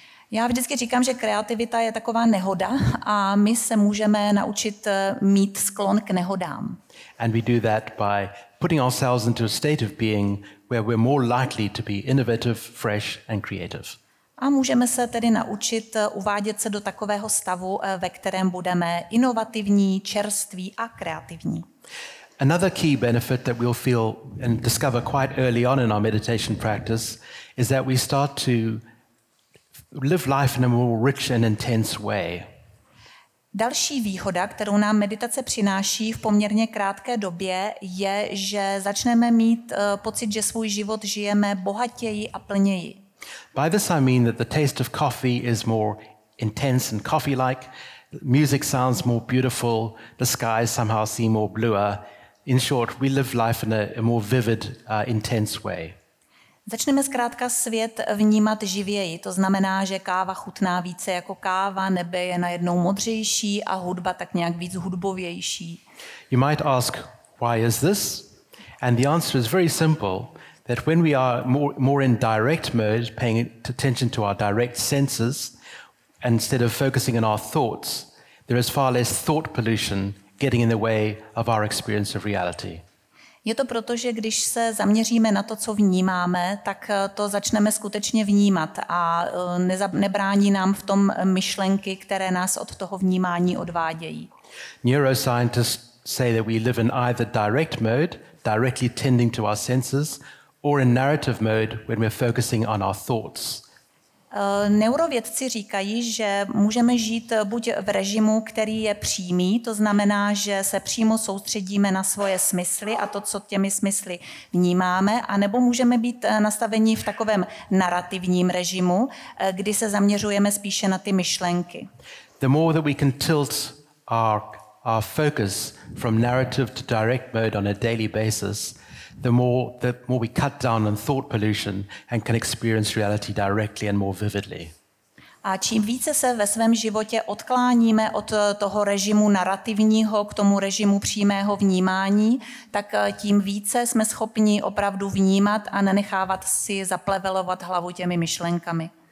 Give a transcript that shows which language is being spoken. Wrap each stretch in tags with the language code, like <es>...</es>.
<cs>Já vždycky říkám, že kreativita je taková nehoda a my se můžeme naučit mít sklon k nehodám.</cs> <en>And we do that by putting ourselves into a state of being where we're more likely to be innovative, fresh and creative.</en> <cs>A můžeme se tedy naučit uvádět se do takového stavu, ve kterém budeme inovativní, čerství a kreativní.</cs> <en>Another key benefit that we'll feel and discover quite early on in our meditation practice is that we start to live life in a more rich and intense way.</en> <cs>Další výhoda, kterou nám meditace přináší v poměrně krátké době, je, že začneme mít pocit, že svůj život žijeme bohatěji a plněji.</cs> <en>By this I mean that the taste of coffee is more intense and coffee-like, music sounds more beautiful, the skies somehow seem more bluer. In short, we live life in a more vivid, intense way.</en> <cs>Začneme zkrátka svět vnímat živěji, to znamená, že káva chutná více jako káva, nebe je najednou modřejší a hudba tak nějak víc hudbovější.</cs> <en>You might ask, why is this? And the answer is very simple, that when we are more in direct mode, paying attention to our direct senses, instead of focusing on our thoughts, there is far less thought pollution getting in the way of our experience of reality.</en> <cs>Je to proto, že když se zaměříme na to, co vnímáme, tak to začneme skutečně vnímat a nebrání nám v tom myšlenky, které nás od toho vnímání odvádějí.</cs> <en>Neuroscientists say that we live in either direct mode, directly tending to our senses, or in narrative mode, when we're focusing on our thoughts.</en> <cs>Neurovědci říkají, že můžeme žít buď v režimu, který je přímý, to znamená, že se přímo soustředíme na svoje smysly a to, co těmi smysly vnímáme, anebo můžeme být nastaveni v takovém narrativním režimu, kdy se zaměřujeme spíše na ty myšlenky.</cs> <en>The more that we can tilt our focus from narrative to direct mode on a daily basis, the more we cut down on thought pollution and can experience reality directly and more vividly.</en> <cs>A čím více se ve svém životě odkláníme od toho režimu narativního k tomu režimu přímého vnímání, tak tím více jsme schopni opravdu vnímat a nenechávat si zaplevelovat hlavu těmi myšlenkami.</cs>